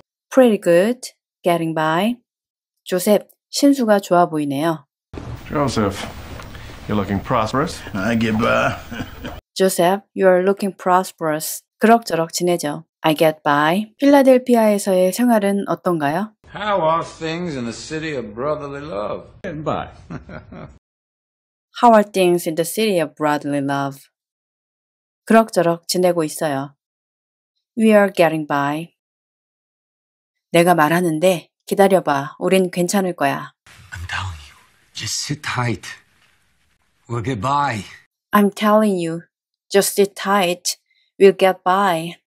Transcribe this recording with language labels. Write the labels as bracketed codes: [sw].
[en] Pretty good. Getting by. [ko] 조셉, 신수가 좋아 보이네요. [en] Joseph, you're looking prosperous. I get by. Joseph, you are looking prosperous. [ko] 그럭저럭 지내죠. [en] I get by. [ko] 필라델피아에서의 생활은 어떤가요? [en] How are things in the city of brotherly love? Getting by. How are things in the city of brotherly love? [ko] 그럭저럭 지내고 있어요. [en] We are getting by. [ko] 내가 말하는데 기다려봐. 우린 괜찮을 거야. [en] I'm telling you, just sit tight. We'll get by. I'm telling you. Just sit tight. We'll get by.